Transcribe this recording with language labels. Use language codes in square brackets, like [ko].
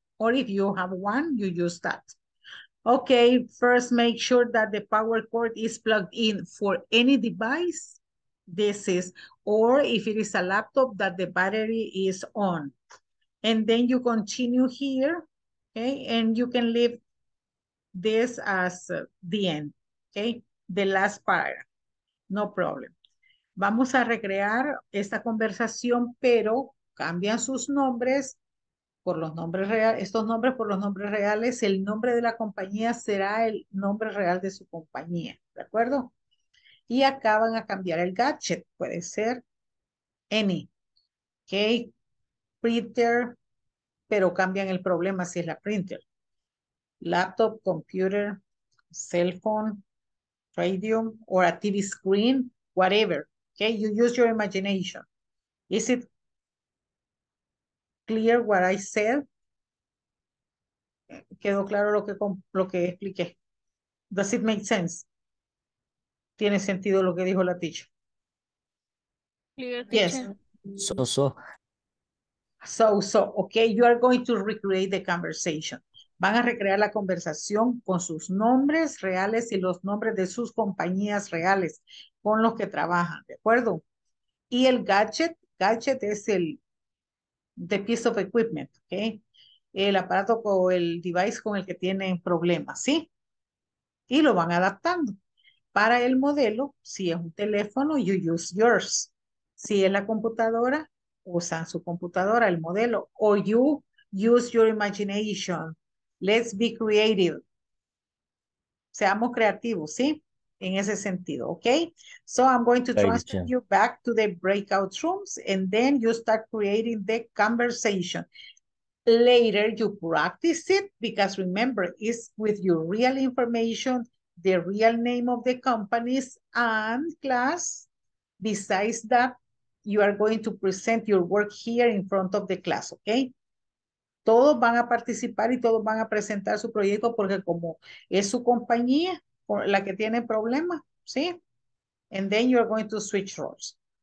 [en] Or if you have one, you use that. Okay, first make sure that the power cord is plugged in for any device. This is, or if it is a laptop, that the battery is on. And then you continue here, okay? And you can leave this as the end, okay? The last part, no problem. [es] Vamos a recrear esta conversación, pero cambian sus nombres. Por los nombres reales, el nombre de la compañía será el nombre real de su compañía, ¿de acuerdo? Y acá van a cambiar el gadget, puede ser any, ¿ok? printer, pero cambian el problema si es la printer. [en] Laptop, computer, cell phone, radio, or a TV screen, whatever. Okay, you use your imagination. Is it clear what I said? [es] ¿Quedó claro lo que expliqué? [en] Does it make sense? [es] ¿Tiene sentido lo que dijo la teacher? [en] Yes. So. Okay, you are going to recreate the conversation. [es] Van a recrear la conversación con sus nombres reales y los nombres de sus compañías reales con los que trabajan, ¿de acuerdo? Y el gadget es [en] the piece of equipment, okay? [es] El aparato o el device con el que tienen problemas, ¿sí? Y lo van adaptando. Para el modelo, si es un teléfono, [en] you use yours. [es] Si es la computadora, usan su computadora, el modelo. [en] Or you use your imagination. Let's be creative. [es] Seamos creativos, ¿sí? En ese sentido, ¿ok? [en] So I'm going to transfer you back to the breakout rooms and then you start creating the conversation. Later, you practice it because remember, it's with your real information, the real name of the companies and class. Besides that, you are going to present your work here in front of the class, okay? [es] Todos van a participar y todos van a presentar su proyecto porque como es su compañía por la que tiene problema, ¿sí? [en] And then you are going to switch roles.